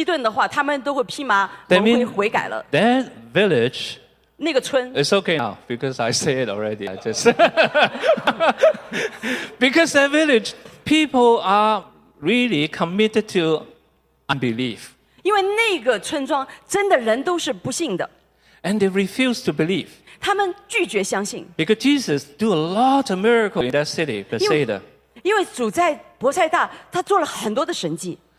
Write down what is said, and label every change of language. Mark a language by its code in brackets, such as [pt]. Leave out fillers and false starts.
[zh] 他说如果我在这个伯赛大所做的事情，如果坐在推罗和西顿的话，他们都会披麻蒙灰悔改了。 [en] That village, [zh] 那个村, [en] it's okay now because I say it already. I just because that village people are really committed to unbelief. [zh] 因为那个村庄真的人都是不信的。 [en] And they refuse to believe. [zh] 他们拒绝相信。 [en] Because Jesus do a lot of miracles in that city, Bethsaida. [zh] 因为主在伯赛大，他做了很多的神迹。